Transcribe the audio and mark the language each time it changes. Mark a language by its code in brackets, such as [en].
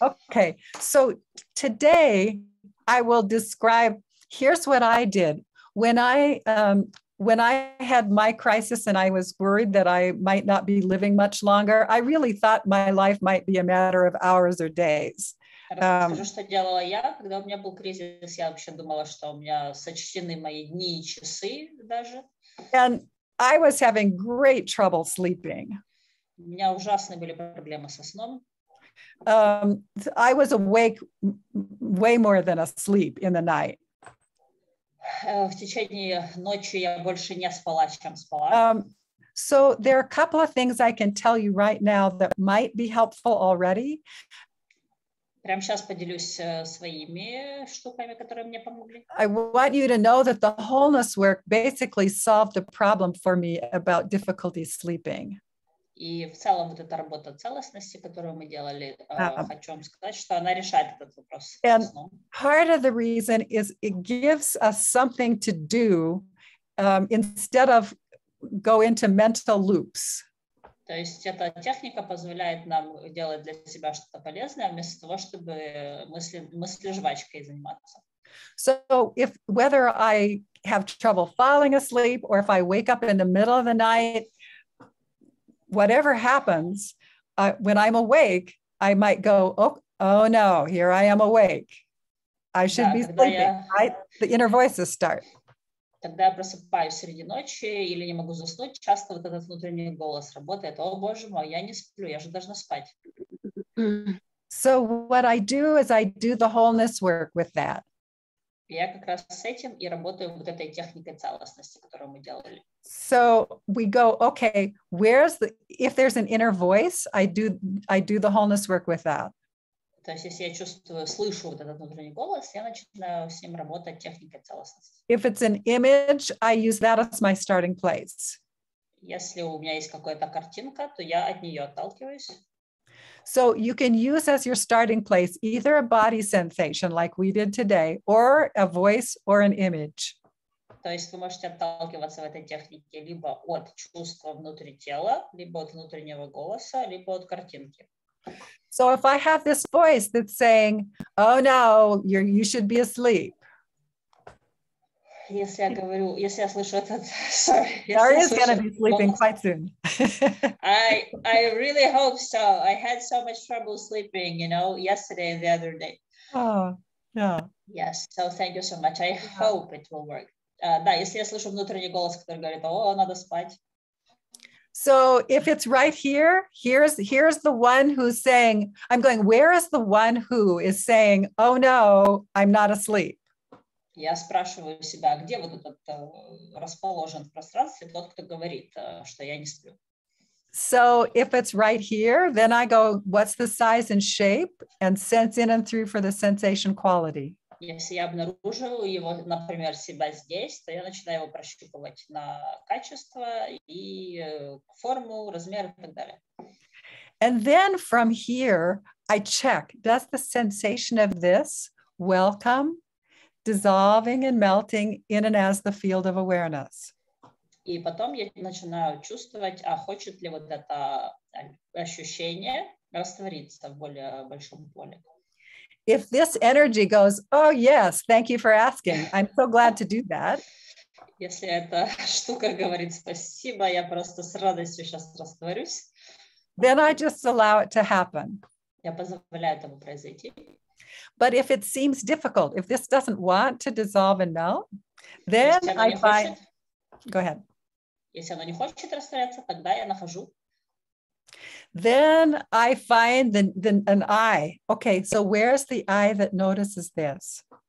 [en] Okay, so today I will describe, here's what I did. When I had my crisis and I was worried that I might not be living much longer, I really thought my life might be a matter of hours or days. [ru] Что делала я, когда у меня был кризис, я вообще думала, что у меня сочтены мои дни и часы даже. [en] And I was having great trouble sleeping. [ru] У меня ужасные были проблемы со сном. [en] I was awake way more than asleep in the night. [ru] В течение ночи я больше не спала, чем спала. [en] So there are a couple of things I can tell you right now that might be helpful already. [ru] Прямо сейчас поделюсь своими штуками, которые мне помогли. [en] I want you to know that the wholeness work basically solved a problem for me about difficulty sleeping. [ru] И в целом вот эта работа целостности, которую мы делали, хочу вам сказать, что она решает этот вопрос. [en] And part of the reason is it gives us something to do instead of go into mental loops. [ru] То есть эта техника позволяет нам делать для себя что-то полезное вместо того, чтобы мысли жвачкой заниматься. [en] So if whether I have trouble falling asleep or if I wake up in the middle of the night, whatever happens, when I'm awake, I might go, oh no, here I am awake. I should be sleeping, right? The inner voices start. [ru] Когда я просыпаюсь среди ночи или не могу заснуть, часто вот этот внутренний голос работает. О, боже мой, я не сплю, я же должна спать. [en] So what I do is I do the wholeness work with that. [ru] Я как раз с этим и работаю вот этой техникой целостности, которую мы делали. [en] So we go, okay, where's the, if there's an inner voice, I do the wholeness work with that. [ru] То есть если я чувствую, слышу вот этот внутренний голос, я начинаю с ним работать техникой целостности. [en] If it's an image, I use that as my starting place. [ru] Если у меня есть какая-то картинка, то я от нее отталкиваюсь. [en] So you can use as your starting place either a body sensation like we did today, or a voice or an image. [ru] То есть вы можете отталкиваться в этой технике либо от чувства внутри тела, либо от внутреннего голоса, либо от картинки. [en] So if I have this voice that's saying, oh no, you should be asleep. [ru] Если я говорю, если я слышу этот, [en] sorry. Sorry, is going to be sleeping quite soon. I really hope so. I had so much trouble sleeping, you know, yesterday and the other day. Oh, yeah. Yes, so thank you so much. I hope it will work. [ru] Да, если я слышу внутренний голос, который говорит, о, надо спать. [en] So if it's right here, here's the one who's saying, I'm going, where is the one who is saying, oh no, I'm not asleep? [ru] Я спрашиваю себя, где вот этот расположен в пространстве тот, кто говорит, что я не сплю. [en] So if it's right here, then I go, what's the size and shape, and sense in and through for the sensation quality. [ru] Если я обнаруживаю его, например, себя здесь, то я начинаю его прощупывать на качество и форму, размер и так далее. [en] And then from here, I check, does the sensation of this welcome, dissolving and melting in and as the field of awareness? [ru] И потом я начинаю чувствовать, а хочет ли вот это ощущение раствориться в более большом поле. [en] If this energy goes, oh yes, thank you for asking. I'm so glad to do that. [ru] Если эта штука говорит спасибо, я просто с радостью сейчас растворюсь. [en] Then I just allow it to happen. [ru] Я позволяю этому произойти. [en] But if it seems difficult, if this doesn't want to dissolve and melt, then I find... Go ahead. [ru] Если оно не хочет растворяться, тогда я нахожу. [en] Then I find the an eye. Okay, so where's the eye that notices this?